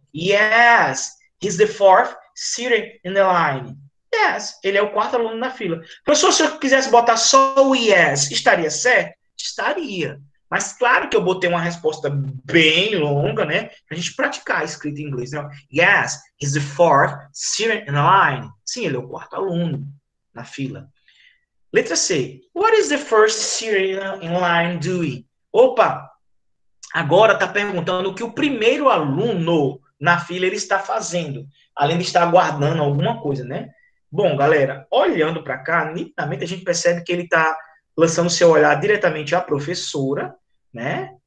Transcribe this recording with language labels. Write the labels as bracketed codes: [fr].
[en] Yes. He's the fourth student in the line. Yes, [pt] ele é o quarto aluno na fila. Professor, se eu quisesse botar só o yes, estaria certo? Estaria. Mas claro que eu botei uma resposta bem longa, né? Pra gente praticar a escrita em inglês, né? [en] Yes, he's the fourth student in the line. [pt] Sim, ele é o quarto aluno na fila. Letra C. [en] What is the first student in line doing? Opa! [pt] Agora tá perguntando o que o primeiro aluno na fila ele está fazendo, além de estar aguardando alguma coisa, né? Bom, galera, olhando para cá, nitidamente a gente percebe que ele está lançando seu olhar diretamente à professora, né?